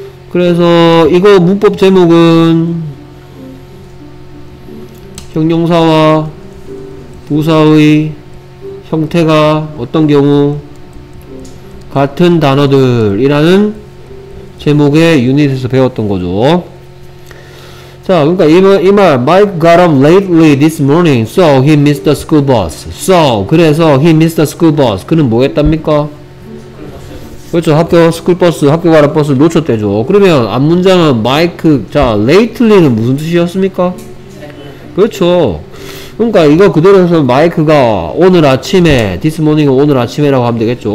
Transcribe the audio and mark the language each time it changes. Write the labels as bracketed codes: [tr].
[ko] 그래서 이거 문법 제목은 형용사와 부사의 형태가 어떤 경우 같은 단어들이라는 제목의 유닛에서 배웠던 거죠. 자, 그러니까 이 말 [en] Mike got up lately this morning, so he missed the school bus. So, [ko] 그래서 [en] he missed the school bus. [ko] 그는 뭐 했답니까? 그렇죠. 학교 스쿨버스, 학교 가는 버스 놓쳤대죠. 그러면 앞 문장은 마이크, 자, lately는 무슨 뜻이었습니까? 그렇죠. 그러니까 이거 그대로 해서 마이크가 오늘 아침에, [en] this morning [ko] 은 오늘 아침에라고 하면 되겠죠.